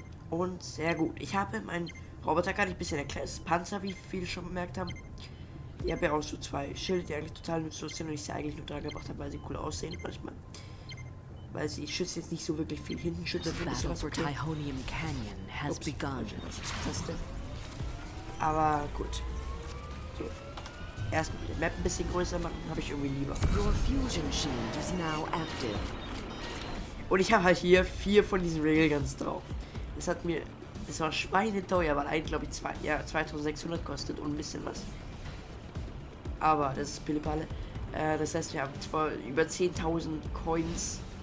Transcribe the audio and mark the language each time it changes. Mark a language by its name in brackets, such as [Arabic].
[German] Und sehr gut. Ich habe meinen Roboter gar nicht ein bisschen erklärt. Das Panzer, wie viele schon bemerkt haben. Ich habe ja auch so zwei Schilde, die eigentlich total nützlich sind und ich sie eigentlich nur dran gebracht habe, weil sie cool aussehen manchmal. Weil sie schützt jetzt nicht so wirklich viel hinten, schützt das ist so okay. [English] Tyhonium Canyon has begun. [German] Aber gut. So. Erstmal die Map ein bisschen größer machen, habe ich irgendwie lieber. [English] Your fusion shield is now active. [German] Und ich habe halt hier vier von diesen Railguns drauf. Das hat mir. Das war schweineteuer, weil eigentlich glaube ich 2600 kostet und ein bisschen was. Aber das ist Pillepalle. Das heißt, wir haben zwar über 10.000 Coins.